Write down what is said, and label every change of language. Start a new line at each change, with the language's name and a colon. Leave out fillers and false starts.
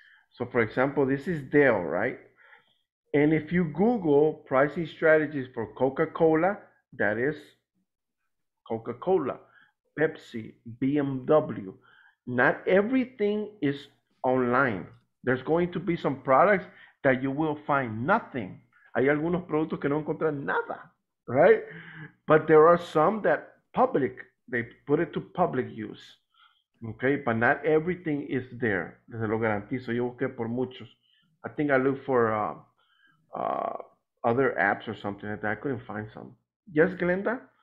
English: So for example, this is Dell, right? And if you Google pricing strategies for Coca-Cola, that is Coca-Cola, Pepsi, BMW. Not everything is online. There's going to be some products that you will find nothing.
Spanish: Hay algunos productos que no encuentran nada, right?
English: But there are some that public, they put it to public use. Okay, but not everything is there.
Spanish: Se lo garantizo, yo busqué por muchos.
English: I think I looked for other apps or something like that. I couldn't find some. Yes, Glenda?